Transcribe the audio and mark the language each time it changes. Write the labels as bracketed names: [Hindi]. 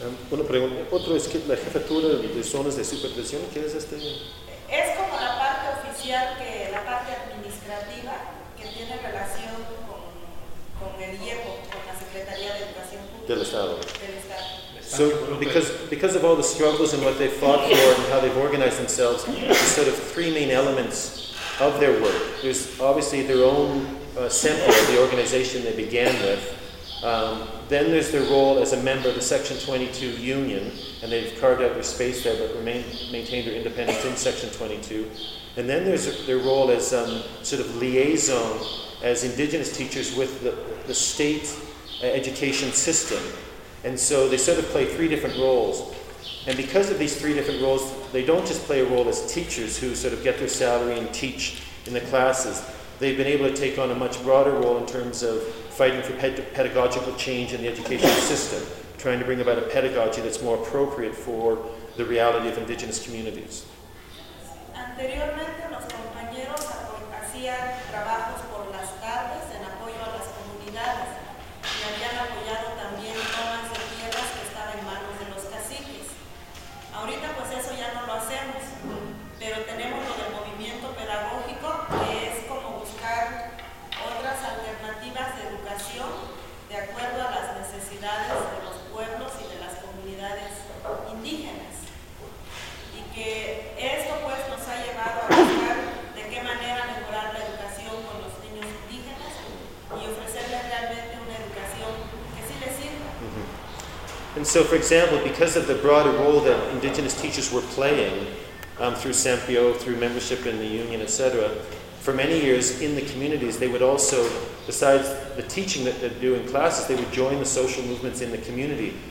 [Spanish] Una pregunta. Otro es que la jefatura de zonas de supervisión, ¿qué es este? Es como la parte oficial, la parte administrativa que tiene relación con el IEPO, con la Secretaría de Educación Pública. Del Estado. Del Estado. [English] So because of all the struggles and what they fought for and how they've organized themselves, there's sort of three main elements of their work. There's obviously their own sample of the organization they began with. Then there's their role as a member of the Section 22 union, and they've carved out their space there but maintained their independence in Section 22. And then there's their role as sort of liaison as indigenous teachers with the state education system. And so they sort of play three different roles. And because of these three different roles, they don't just play a role as teachers who sort of get their salary and teach in the classes. they've been able to take on a much broader role in terms of fighting for pedagogical change in the education system, trying to bring about a pedagogy that's more appropriate for the reality of indigenous communities. [Spanish] Anteriormente, los compañeros hacían trabajos por las tardes en apoyo a las comunidades y habían apoyado también tomas de tierras que estaban en manos de los caciques. Ahorita, pues eso ya no lo hacemos, pero tenemos lo del movimiento pedagógico, que es como buscar otras alternativas de educación de acuerdo a las necesidades de los pueblos y de las comunidades indígenas. Y que esto, pues, nos ha llevado a buscar de qué manera mejorar la educación con los niños indígenas y ofrecerles realmente una educación que sí les sirva. Mm-hmm. [English] And so, for example, because of the broader role that indigenous teachers were playing, through SAMPIO, through membership in the union, etc., for many years in the communities, they would also, besides the teaching that they'd do in classes, they would join the social movements in the community.